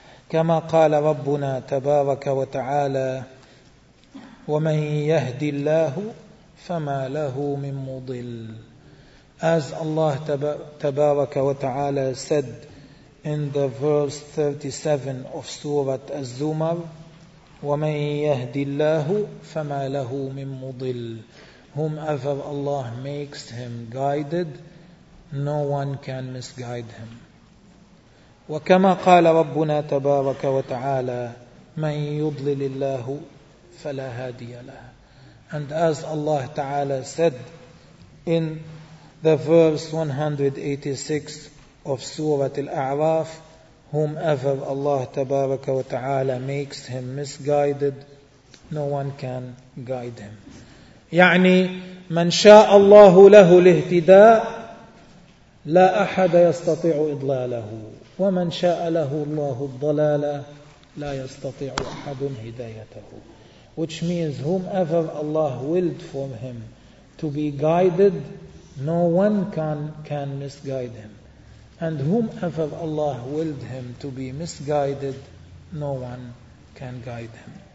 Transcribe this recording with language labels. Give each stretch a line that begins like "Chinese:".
Arabic: كما قال ربنا تبارك وتعالى ومن يهدي الله فما له من مضل.
English: As Allah تبارك وتعالى said in the verse 37 of Surah Az-Zumar,
Arabic: وَمَنْ يَهْدِ اللَّهُ فَمَا لَهُ مِنْ مُضِلٍ.
English: Whomever Allah makes him guided, no one can misguide him.
Arabic: وَكَمَا قَالَ رَبُّنَا تَبَارَكَ وَتَعَالَى مَنْ يُضْلِلِ اللَّهُ فَلَا هَادِيَ لَهُ.
English: And as Allah Ta'ala said in the verse 186 of Surah Al-A'raf, whomever Allah Tabaraka wa Ta'ala makes him misguided, no one can guide him.
Arabic: يعني من شاء الله له الاهتداء لا أحد يستطيع إضلاله ومن شاء له الله الضلال لا يستطيع أحد هدايته.
English: Which means whomever Allah willed for him to be guided, no one can misguide him. And whomever Allah willed him to be misguided, no one can guide him.